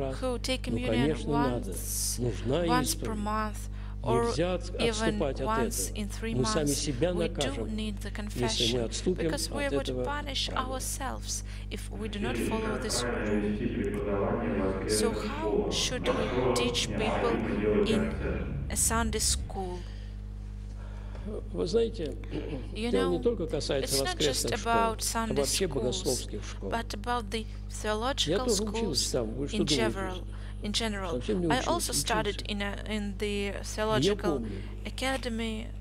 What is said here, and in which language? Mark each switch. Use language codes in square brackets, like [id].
[en] who take communion once per month, or even once in 3 months, we do need the confession, because we would punish ourselves if we do not follow this rule. So how should we teach people in a Sunday school? [ru] Вы знаете, [en] you know, [ru] это не только касается воскресных школ, а вообще богословских школ. [en] But about the theological schools in general. In general, I also studied in the theological academy.